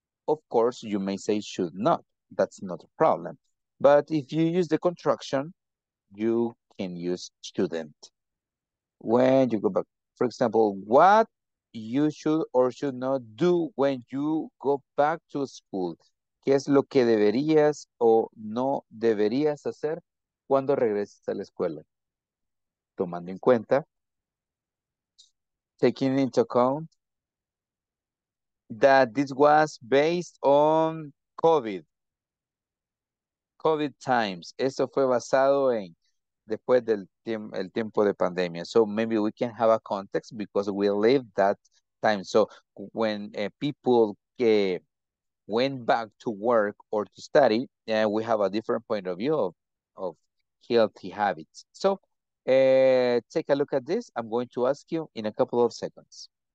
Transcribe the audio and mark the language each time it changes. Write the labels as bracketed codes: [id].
[en] Of course, you may say should not. That's not a problem. But if you use the contraction, you can use shouldn't. When you go back, for example, what you should or should not do when you go back to school. [es] ¿Qué es lo que deberías o no deberías hacer cuando regreses a la escuela? Tomando en cuenta, [en] taking into account that this was based on COVID. COVID times. [es] Esto fue basado en después del el tiempo de pandemia. [en] So maybe we can have a context because we live that time. So when people went back to work or to study, we have a different point of view of healthy habits. So take a look at this. I'm going to ask you in a couple of seconds.